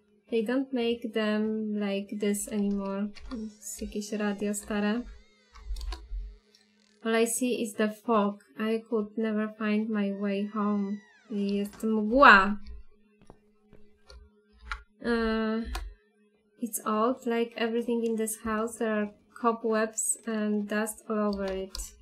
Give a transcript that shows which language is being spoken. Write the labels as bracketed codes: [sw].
[en] They don't make them like this anymore. [pl] To jest jakieś radio stare. [en] All I see is the fog. I could never find my way home. [pl] I jest mgła. [en] It's old, like everything in this house. There are cobwebs and dust all over it.